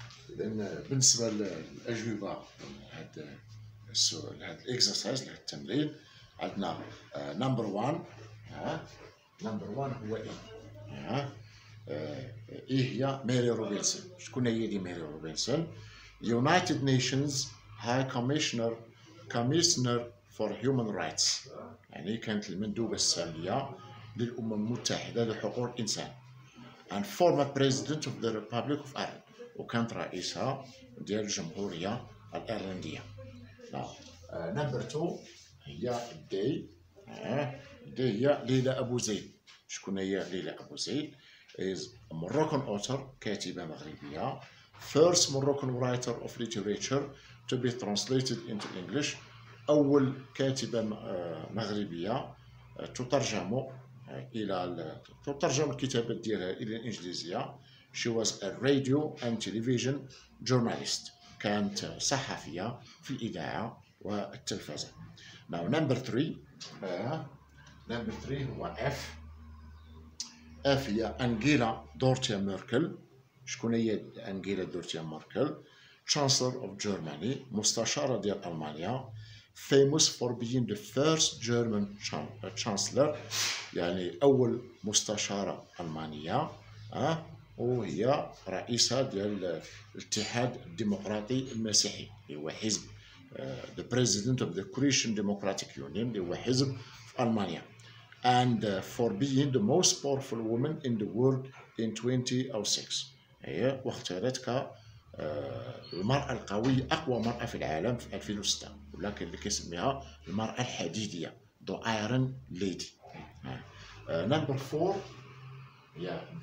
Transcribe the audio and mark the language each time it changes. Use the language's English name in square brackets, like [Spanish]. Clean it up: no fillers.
[Arabic] إذن بالنسبة للأجوبة هاد السؤال هذا الاكسرسايز لهذا التمرين، عندنا نمبر 1، نمبر 1 هو ايه هي ميري روبنسون، شكون هي دي ميري روبنسون؟ [English] United Nations High Commissioner Commissioner for Human Rights. [Arabic] يعني كانت المندوبة السامية للأمم المتحدة لحقوق الإنسان. [English] And former President of the Republic of Ireland. [Arabic] وكانت رئيسها ديال الجمهورية الإيرلندية. [English] Number two [Arabic] هي الدي. الدي هي ليلى أبو زيد. شكون هي ليلى أبو زيد؟ [English] Is a Moroccan author, [Arabic] كاتبة مغربية. [English] First Moroccan writer of literature to be translated into English. [Arabic] أول كاتبة مغربية تترجم إلى تترجم الكتابات ديالها إلى الإنجليزية. [English] She was a radio and television journalist. [Arabic] كانت صحفية في الإذاعة والتلفزة. [English] Now number three. Number three [Arabic] هو [English] F. [Arabic] F هي أنجيلا دورتيا ميركل. شكون هي أنجيلا دورتيا ميركل؟ [English] Chancellor of Germany. [Arabic] مستشارة ديال ألمانيا. [English] Famous for being the first German chancellor. [Arabic] يعني أول مستشارة ألمانية. وهي رئيسة ديال الاتحاد الديمقراطي المسيحي اللي هو حزب [English] the president of the Croatian Democratic Union [Arabic] اللي هو حزب في ألمانيا [English] and for being the most powerful woman in the world in 2006 [Arabic] هي واختارتك المرأة القوية أقوى مرأة في العالم في 2006 ولكن اللي كيسميها المرأة الحديدية [English] the iron lady number four [Arabic] هي